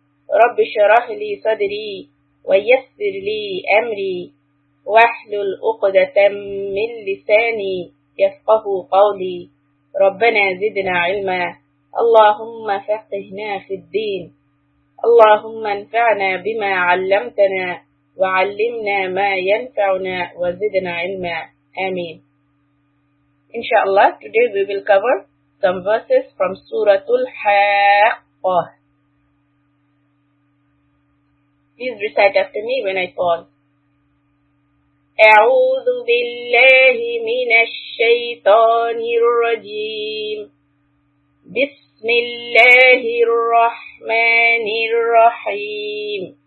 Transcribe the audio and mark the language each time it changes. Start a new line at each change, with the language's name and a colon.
Arabic: رب اشرح لي صدري ويسر لي أمري واحلل عقدة من لساني يفقه قولي. ربنا زدنا علما، اللهم فقهنا في الدين، اللهم انفعنا بما علمتنا وعلمنا ما ينفعنا وزدنا علما، آمين. إن شاء الله
English: today we will cover some verses from سورة الحاقة. Please recite after me when I pause.
Arabic: أعوذ بالله من الشيطان الرجيم. بسم الله الرحمن الرحيم.